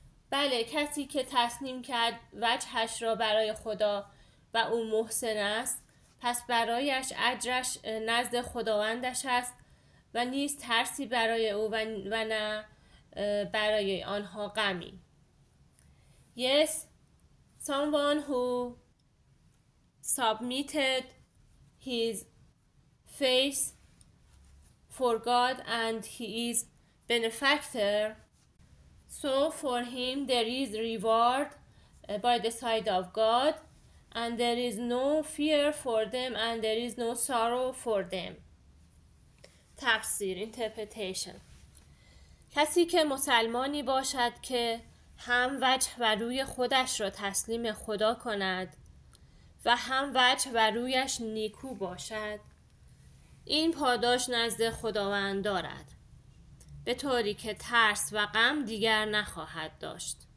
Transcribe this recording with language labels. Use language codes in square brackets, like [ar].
[fa] بله، کسی که تسلیم کرد وجهش را برای خدا و او محسن است، پس برایش اجرش نزد خداوندش است و نیست ترسی برای او و نه برای آنها غمی. [en] Yes, someone who submitted his face for God and he is benefactor, so for him there is reward by the side of God and there is no fear for them and there is no sorrow for them. Tafsir, interpretation. [fa] کسی که مسلمانی باشد که هم وجه و روی خودش را تسلیم خدا کند و هم وجه و رویش نیکو باشد، این پاداش نزد خداوند دارد، به طوری که ترس و غم دیگر نخواهد داشت.